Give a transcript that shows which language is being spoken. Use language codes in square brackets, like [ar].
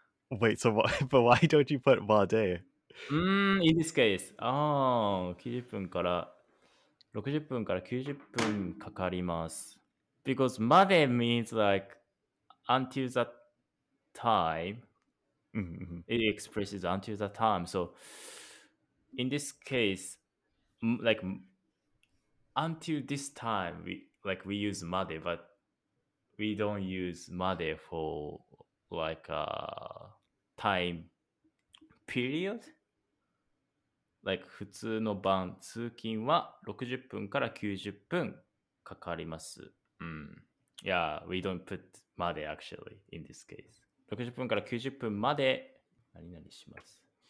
[en] Wait, so why, but why don't you put まで in this case. [ja] Oh, 90分から90分かかります。 [en] Because made means like until that time. It expresses until that time. So in this case, like until this time, we use made, but we don't use made for like a time period. [ja] Like, 普通の晩通勤は60分から90分かかります。 [en] Yeah, we don't put まで actually in this case. [ja] 60分から90分まで何々します。